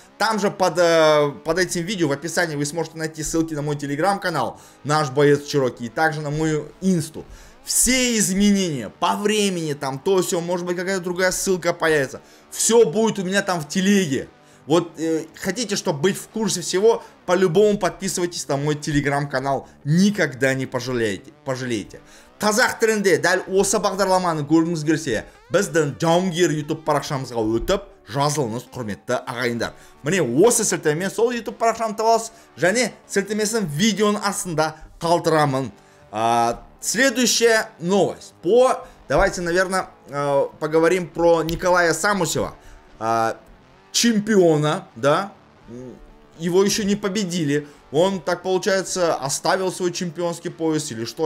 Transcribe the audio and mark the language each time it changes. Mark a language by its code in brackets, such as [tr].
[ru] Там же под этим видео в описании вы сможете найти ссылки на мой телеграм-канал «Наш боец Чироки» и также на мою инсту. Все изменения по времени, там то все, может быть, какая-то другая ссылка появится. Все будет у меня там в телеге. Вот хотите, чтобы быть в курсе всего, по-любому подписывайтесь на мой телеграм-канал. Никогда не пожалеете. [kk] Казах тренде, дәл осы бағдарламаны көргіңіз келсе, біздің Джаумгер YouTube парақшамызға өтіп, жазылыңыз, құрметті ағайындар. Міне, осы сілтеме сол YouTube парақшам табас, және сілтемесін видеоның астында қалдырамын. [ru] Следующая новость. Давайте, наверное, поговорим про Николая Самусева. Чемпиона, да? Его еще не победили. Он, так получается, оставил свой чемпионский пояс или что?